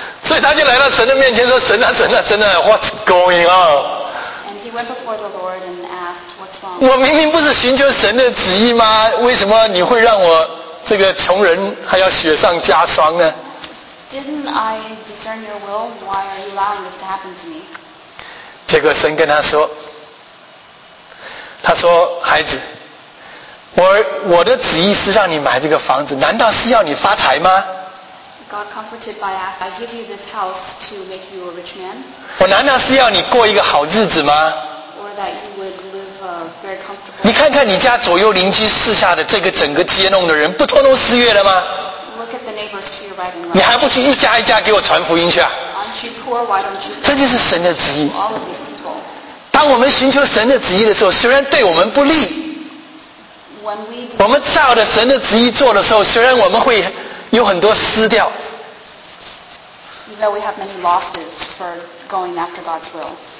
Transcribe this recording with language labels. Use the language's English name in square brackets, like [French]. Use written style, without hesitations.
[Chinese] 所以他就来到神的面前说，神啊神啊神啊， [English] What's going on? And he went before the Lord and asked, What's wrong? [Chinese] 我明明不是寻求神的旨意吗？为什么你会让我这个穷人还要雪上加霜呢？ [English] Didn't I discern your will? Why are you allowing this to happen to me? [Chinese] 结果神跟他说，他说，孩子，我的旨意是让你买这个房子，难道是要你发财吗？ [English] God comforted by asking, I give you this house to make you a rich man. [Chinese] 我难道是要你过一个好日子吗？ [English] Or that you would live a very comfortable. [Chinese] 你看看你家左右邻居四下的这个整个街弄的人，不通通失业了吗？ [English] Look at the neighbors to your right and left. [Chinese] 你还不去一家一家给我传福音去啊？ [English] Aren't you poor? Why don't you? [Chinese] 这就是神的旨意。 [English] All of these people. [Chinese] 当我们寻求神的旨意的时候，虽然对我们不利。我们照着神的旨意做的时候，虽然我们会有很多失掉， [English] even though we have many losses for going after God's will.